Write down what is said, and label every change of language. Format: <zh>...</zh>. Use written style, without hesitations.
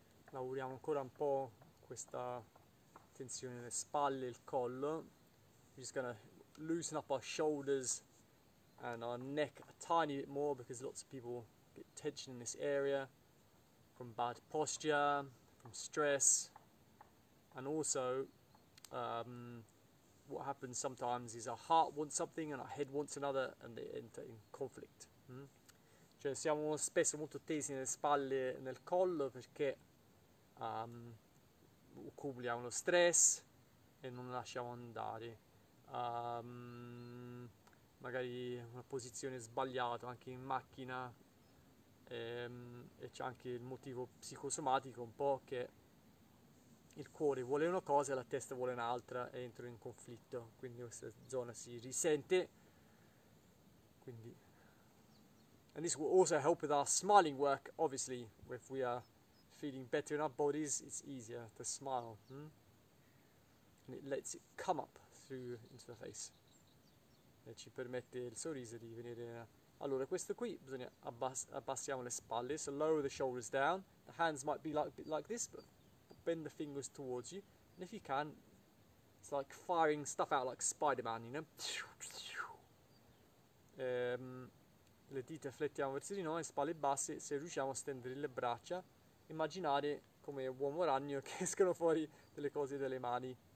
<it>Lavoriamo ancora un po' questa tensione delle spalle e il collo.</it> <en>We're just gonna loosen up our shoulders and our neck a tiny bit more because lots of people get tension in this area from bad posture, from stress, and also what happens sometimes is our heart wants something and our head wants another, and they enter in conflict.</en> <it>Cioè siamo spesso molto tesi nelle spalle e nel collo perché accumuliamo lo stress e non lasciamo andare. Magari una posizione sbagliata anche in macchina, e c'è anche il motivo psicosomatico un po', che il cuore vuole una cosa e la testa vuole un'altra, e entro in conflitto, quindi questa zona si risente.</it> <en>Quindi, and this will also help with our smiling work, obviously. If we are feeling better in our bodies, it's easier to smile, and it lets it come up through into the face,</en> <it>e ci permette il sorriso di venire. Allora, questo qui bisogna abbassiamo le spalle,</it> <en>so lower the shoulders down. The hands might be like a bit like this, but bend the fingers towards you, and if you can, it's like firing stuff out like Spider-Man, you know.</en> <it>Le dita flettiamo verso di noi, spalle basse. Se riusciamo a stendere le braccia, immaginare come uomo ragno che escono fuori delle cose dalle mani.</it>